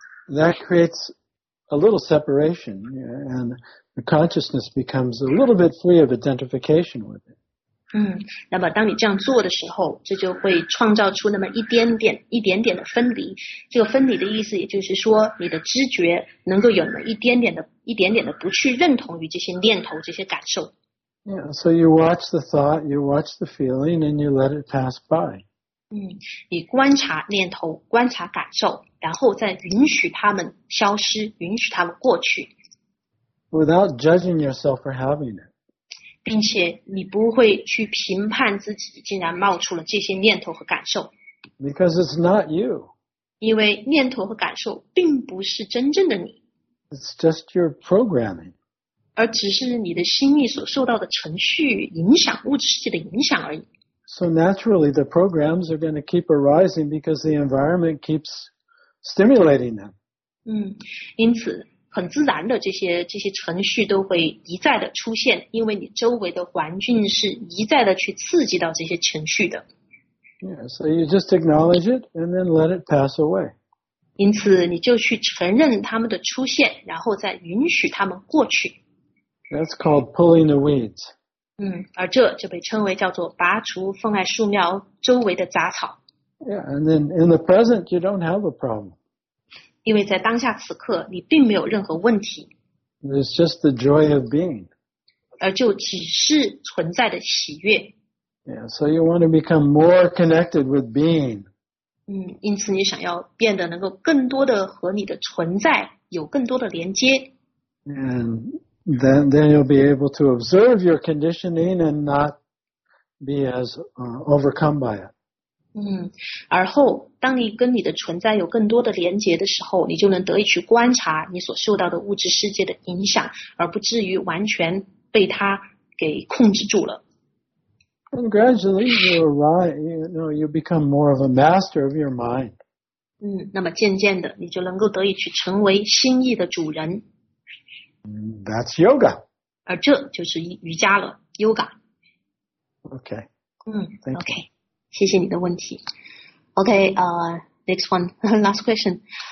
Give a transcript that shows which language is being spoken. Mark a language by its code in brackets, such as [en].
[en] That creates a little separation, and the consciousness becomes a little bit free of identification with it. [zh] 那么当你这样做的时候，这就会创造出那么一点点、一点点的分离。这个分离的意思，也就是说，你的知觉能够有那么一点点的、一点点的不去认同于这些念头、这些感受。 [en] Yeah, so you watch the thought, you watch the feeling, and you let it pass by. [zh] 你观察念头，观察感受，然后再允许他们消失，允许他们过去。 [en] Without judging yourself for having it. [zh] 并且你不会去评判自己竟然冒出了这些念头和感受。 [en] Because it's not you. [zh] 因为念头和感受并不是真正的你。 [en] It's just your programming. [zh] 而只是你的心意所受到的程序影响，物质世界的影响而已。 [en] So naturally, the programs are going to keep arising because the environment keeps stimulating them. [zh] 因此很自然的这些程序都会一再的出现，因为你周围的环境是一再的去刺激到这些程序的。 [en] Yeah, so you just acknowledge it and then let it pass away. [zh] 因此你就去承认他们的出现，然后再允许他们过去。 [en] That's called pulling the weeds. [zh] 而这就被称为叫做拔除妨碍树苗周围的杂草。 [en] Yeah, and then in the present you don't have a problem. [zh] 因为在当下此刻你并没有任何问题。 [en] It's just the joy of being. [zh] 而就只是存在的喜悦。 [en] Yeah, so you want to become more connected with being. [zh] 因此你想要变得能够更多的和你的存在有更多的连接。 [en] And then you'll be able to observe your conditioning and not be as overcome by it. [zh] 而后当你跟你的存在有更多的连结的时候，你就能得以去观察你所受到的物质世界的影响，而不至于完全被它给控制住了。 [en] And gradually you arrive, you know, you become more of a master of your mind. [zh] 那么渐渐的你就能够得以去成为心意的主人。 [en] That's yoga. [zh] 而这就是瑜伽了 ,yoga. [en] Okay. Thank you. Okay. [zh] 谢谢你的问题。 [en] OK, next one, last question.